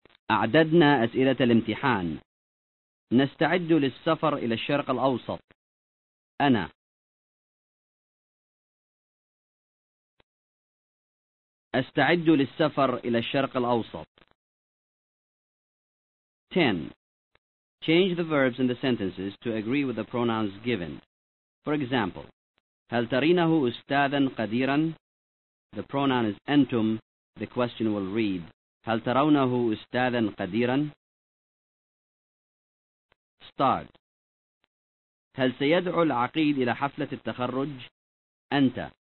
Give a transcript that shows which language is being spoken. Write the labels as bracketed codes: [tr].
[ar] أعددنا أسئلة الامتحان نستعد للسفر إلى الشرق الأوسط أنا أستعد للسفر إلى الشرق الأوسط 10. [en] Change the verbs in the sentences to agree with the pronouns given. For example, [ar] هل ترينه أستاذا قديرا؟ [en] The pronoun is أنتم. The question will read, [ar] هل ترونه أستاذا قديرا؟ [en] Start. [ar] هل سيدعو العقيد إلى حفلة التخرج؟ أنت.